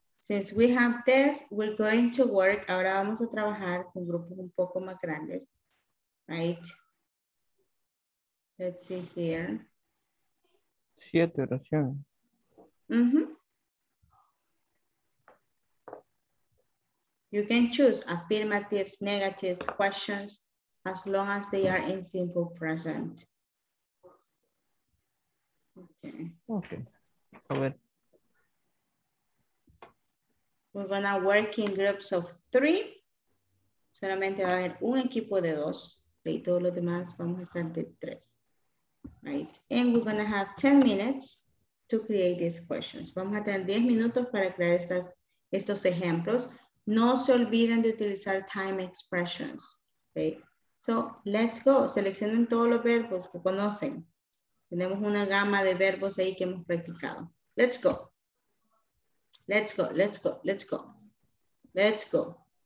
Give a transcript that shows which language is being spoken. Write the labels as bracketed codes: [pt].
[en] Since we have this, we're going to work. [es] Ahora vamos a trabajar con grupos un poco más grandes. [en] Right? Let's see here. [es] Siete oraciones. [en] You can choose affirmatives, negatives, questions, as long as they are in simple present. Okay. Okay. [es] A ver. [en] We're gonna work in groups of three. [es] Solamente va a haber un equipo de dos. Y todos los demás vamos a estar de tres. [en] Right. And we're gonna have 10 minutes to create these questions. [es] Vamos a tener 10 minutos para crear estos ejemplos. No se olviden de utilizar time expressions. Okay. [en] So let's go. [es] Seleccionen todos los verbos que conocen. Tenemos una gama de verbos ahí que hemos practicado. [en] Let's go. Let's go, let's go, let's go. Let's go.